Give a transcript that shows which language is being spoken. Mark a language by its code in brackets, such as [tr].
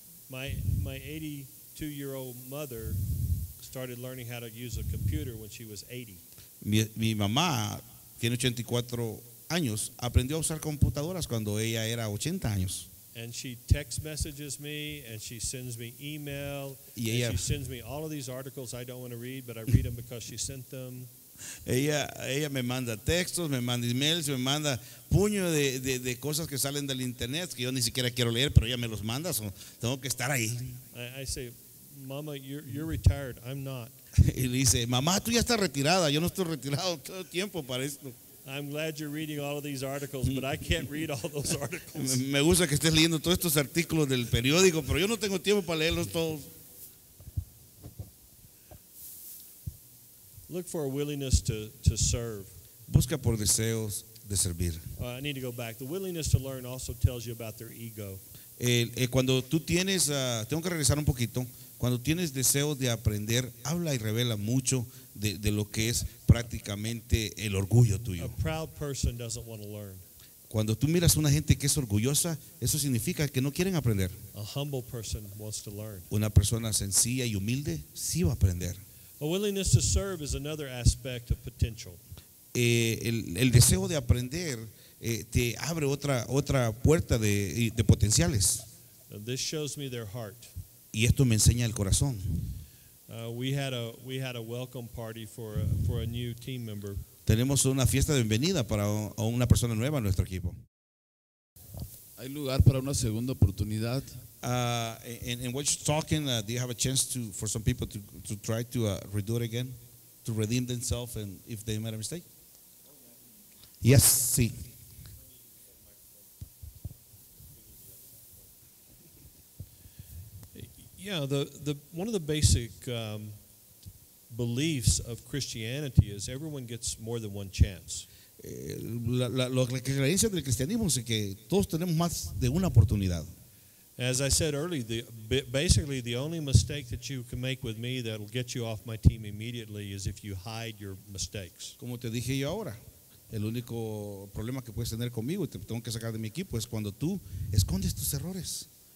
[en] My 82-year-old mother started learning how to use a computer when she was 80. [es] Mi mamá tiene 84 años, aprendió a usar computadoras cuando ella era 80 años. [en] And she text messages me, and she sends me email, [es] ella, [en] and she sends me all of these articles I don't want to read, but I read them because she sent them. [es] Ella me manda textos, me manda emails, me manda puño de cosas que salen del internet que yo ni siquiera quiero leer, pero ella me los manda, so tengo que estar ahí. [en] I say, Mama, you're retired, I'm not. [es] Y le dice, Mamá, tú ya estás retirada, yo no estoy retirado todo el tiempo para esto. [en] I'm glad you're reading all of these articles, but I can't read all those articles. [es] Me gusta que estés leyendo todos estos artículos del periódico, pero yo no tengo tiempo para leerlos todos. [en] Look for a willingness to serve. [es] Busca por deseos de servir. [en] I need to go back. The willingness to learn also tells you about their ego. [es] Cuando tú tienes, tengo que regresar un poquito. Cuando tienes deseos de aprender, habla y revela mucho de lo que es prácticamente el orgullo tuyo. [en] A proud person doesn't want to learn. [es] Cuando tú miras a una gente que es orgullosa, eso significa que no quieren aprender. [en] A humble person wants to learn. [es] Una persona sencilla y humilde sí va a aprender. [en] A willingness to serve is another aspect of potential. [es] El deseo de aprender te abre otra puerta de potenciales. [en] This shows me their heart. [es] Y esto me enseña el corazón. [en] We had a welcome party for a new team member. [es] Tenemos una fiesta de bienvenida para una persona nueva en nuestro equipo. ¿Hay lugar para una segunda oportunidad? [en] And what you're talking, do you have a chance to for some people to try to redo it again, to redeem themselves, and if they made a mistake? Yes, sí. Yeah, the one of the basic beliefs of Christianity is everyone gets more than one chance. [es] La creencia del cristianismo es que todos tenemos más de una oportunidad. [en] As I said earlier, basically the only mistake that you can make with me that will get you off my team immediately is if you hide your mistakes. [es] Como te dije yo ahora, el único problema que puedes tener conmigo y te tengo que sacar de mi equipo es cuando tú escondes tus errores.